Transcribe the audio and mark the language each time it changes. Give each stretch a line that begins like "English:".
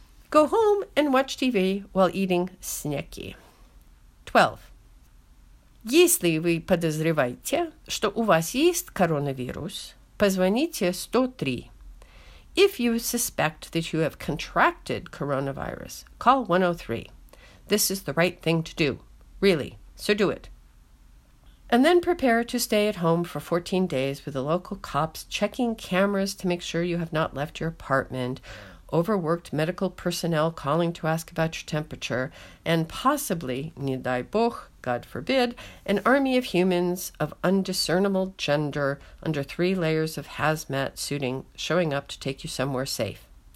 English: Go home and watch TV while eating снеки. 12.
Russian: Если вы подозреваете, что у вас есть коронавирус, позвоните 103.
English: If you suspect that you have contracted coronavirus, call 103. This is the right thing to do, really, so do it. And then prepare to stay at home for 14 days with the local cops checking cameras to make sure you have not left your apartment, overworked medical personnel calling to ask about your temperature, and possibly,
Russian: не дай бог,
English: God forbid, an army of humans of undiscernible gender under 3 layers of hazmat suiting showing up to take you somewhere safe.